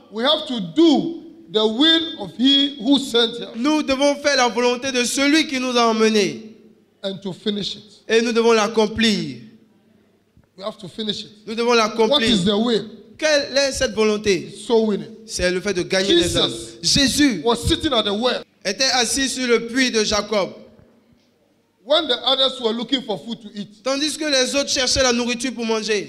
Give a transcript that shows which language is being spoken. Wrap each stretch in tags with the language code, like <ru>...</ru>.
<en>we have to do the will of he who sent us.</en> <fr>Nous devons faire la volonté de celui qui nous a emmenés.</fr> <en>And to finish it.</en> <fr>Et nous devons l'accomplir.</fr> <en>We have to finish it.</en> <fr>Nous devons l'accomplir.</fr> <en>What is the will?</en> <fr>Quelle est cette volonté?</fr> <en>So winning.</en> <fr>C'est le fait de gagner</fr> <en>Jesus</en> <fr>des âmes. Jésus</fr> <en>was sitting at the well.</en> <fr>Était assis sur le puits de Jacob.</fr> <en>When the others were looking for food to eat,</en> <fr>tandis que les autres cherchaient la nourriture pour manger,</fr>